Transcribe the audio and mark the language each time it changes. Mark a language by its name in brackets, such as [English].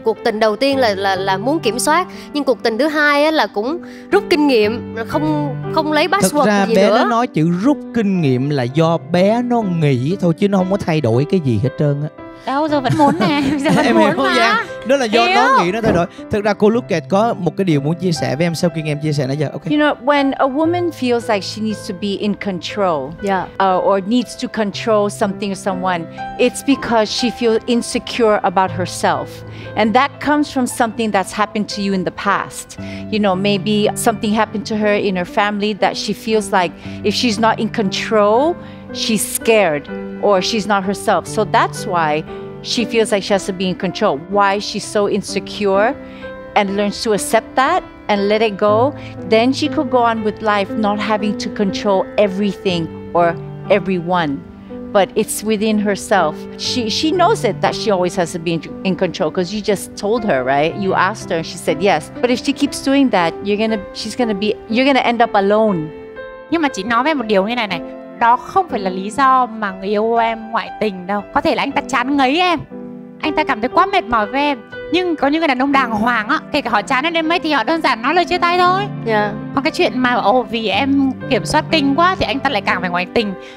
[Vietnamese] Cuộc tình đầu tiên là muốn kiểm soát. Nhưng cuộc tình thứ hai là cũng rút kinh nghiệm, không lấy password gì nữa. Thật ra bé nữa. Nó nói chữ rút kinh nghiệm là do bé nó nghĩ thôi, chứ nó không có thay đổi cái gì hết trơn á. Đâu, giờ vẫn muốn nè, giờ vẫn em muốn hiểu mà. Đó là do nó nghĩ nó thay đổi. Thực ra cô Lucet có một cái điều muốn chia sẻ với em sau khi em chia sẻ nãy giờ. [English] Okay. You know, when a woman feels like she needs to be in control, or needs to control something or someone, it's because she feels insecure about herself. And that comes from something that's happened to you in the past. You know, maybe something happened to her in her family that she feels like if she's not in control, she's scared or she's not herself. So that's why she feels like she has to be in control. Why she's so insecure and learns to accept that and let it go. Then she could go on with life not having to control everything or everyone. But it's within herself. She knows it that she always has to be in control because you just told her, right? You asked her and she said yes. But if she keeps doing that, you're gonna end up alone. [Vietnamese] Nhưng mà chị nói với em một điều như này này. Đó không phải là lý do mà người yêu em ngoại tình đâu. Có thể là anh ta chán ngấy em. Anh ta cảm thấy quá mệt mỏi với em. Nhưng có những người đàn ông đàng hoàng á, kể cả họ chán em đến mấy thì họ đơn giản nói lời chia tay thôi. Còn cái chuyện mà vì em kiểm soát kinh quá thì anh ta lại càng phải ngoại tình.